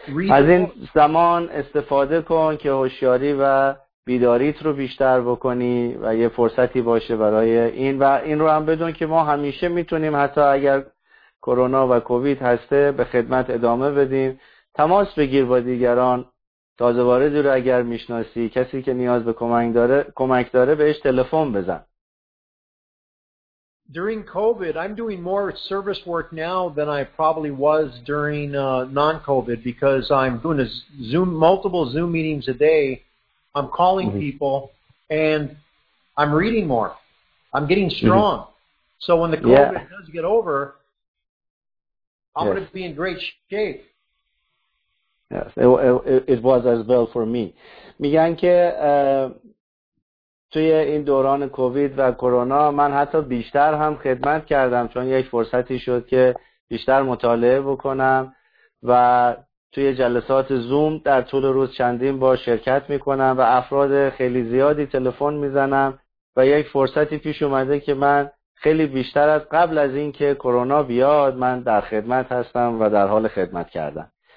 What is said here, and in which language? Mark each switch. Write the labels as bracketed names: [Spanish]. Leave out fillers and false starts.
[Persian] از این زمان استفاده کن که هوشیاری و بیداریت رو بیشتر بکنی و یه فرصتی باشه برای این و این رو هم بدون که ما همیشه میتونیم حتی اگر کرونا و کووید هسته به خدمت ادامه بدیم. تماس بگیر با دیگران، تازه وارد رو اگر میشناسی، کسی که نیاز به کمک داره بهش تلفن بزن. [English] During COVID, I'm doing more service work now than I probably was during non-COVID because I'm doing multiple Zoom meetings a day. I'm calling people and I'm reading more. I'm getting strong. Mm-hmm. So when the COVID does get over, I'm going to be in great shape. Yes, it was as well for me. [Persian] میگن که توی این دوران کووید و کرونا من حتی بیشتر هم خدمت کردم، چون یک فرصتی شد که بیشتر مطالعه بکنم و توی جلسات زوم در طول روز چندین بار شرکت میکنم و افراد خیلی زیادی تلفن میزنم و یک فرصتی پیش اومده که من خیلی بیشتر از قبل از این که کرونا بیاد من در خدمت هستم و در حال خدمت کردم.